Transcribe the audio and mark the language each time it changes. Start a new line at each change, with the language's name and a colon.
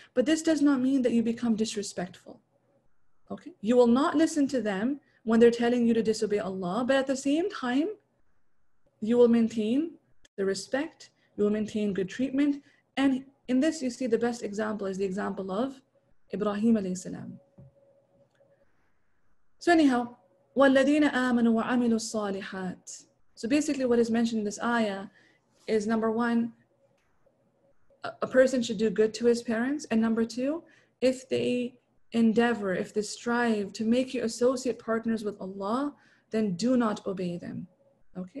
English: But this does not mean that you become disrespectful. Okay? You will not listen to them when they're telling you to disobey Allah. But at the same time, you will maintain the respect. You will maintain good treatment. And in this, you see the best example is the example of Ibrahim alayhi salam. So anyhow,
Arabic: وَالَّذِينَ آمَنُوا وَعَمِلُوا الصَّالِحَاتِ.
English: So basically what is mentioned in this ayah is, number one, a person should do good to his parents. And number two, if they endeavor, if they strive to make you associate partners with Allah, then do not obey them. Okay.